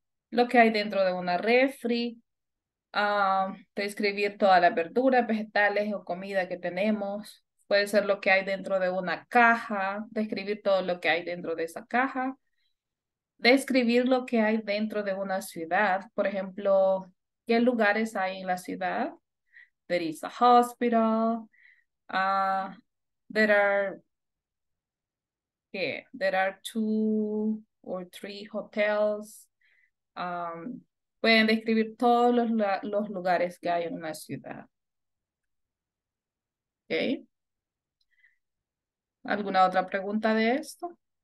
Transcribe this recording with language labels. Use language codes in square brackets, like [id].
[es] Lo que hay dentro de una refri. Describir todas las verduras, vegetales o comida que tenemos. Puede ser lo que hay dentro de una caja. Describir todo lo que hay dentro de esa caja. Describir lo que hay dentro de una ciudad. Por ejemplo, ¿qué lugares hay en la ciudad? [en] There is a hospital. There are, yeah, there are two or three hotels. [es] Pueden describir todos los lugares que hay en una ciudad. Okay. ¿Alguna otra pregunta de esto?